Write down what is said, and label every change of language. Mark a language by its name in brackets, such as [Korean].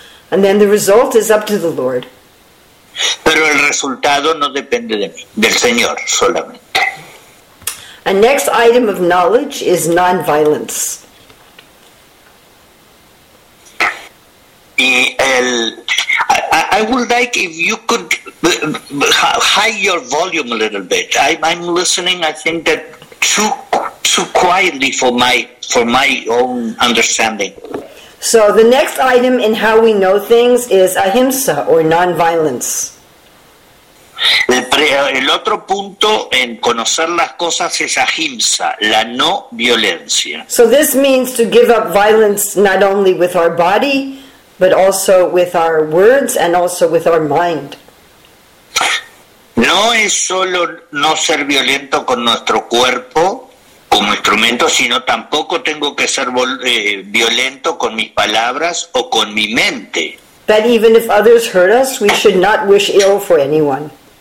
[English] And then the result is up to the Lord. [Spanish] Pero el resultado no depende de mí, del Señor solamente. [English] A next item of knowledge is non-violence. [Spanish] Y el, [English] I would like if you could hide your volume a little bit. I'm listening, I think, that too quietly for my own understanding. So the next item in how we know things is ahimsa, or non-violence. [Spanish] El otro punto en conocer las cosas es ahimsa, la no violencia. [English] So this means to give up violence not only with our body, but also with our words and also with our mind. [Spanish] No es solo no ser violento con nuestro cuerpo como instrumento, sino tampoco tengo que ser violento con mis palabras o con mi mente. [English] That even if others hurt us, we should not wish ill for anyone.